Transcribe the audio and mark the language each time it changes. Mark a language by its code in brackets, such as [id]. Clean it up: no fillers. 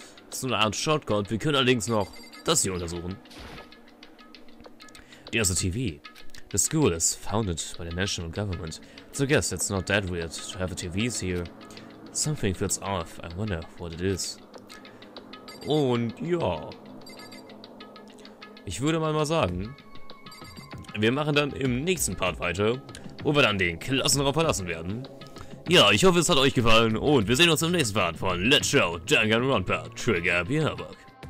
[de] So eine Art Shortcut, wir können allerdings noch das hier untersuchen. [en] There's a TV. The school is founded by the national government, so I guess it's not that weird to have a TV here. Something feels off, I wonder what it is. [de] Und ja, ich würde mal sagen, wir machen dann im nächsten Part weiter, wo wir dann den Klassenraum verlassen werden. Ja, ich hoffe, es hat euch gefallen und wir sehen uns im nächsten Part von Let's Show Danganronpa Trigger Bierwerk.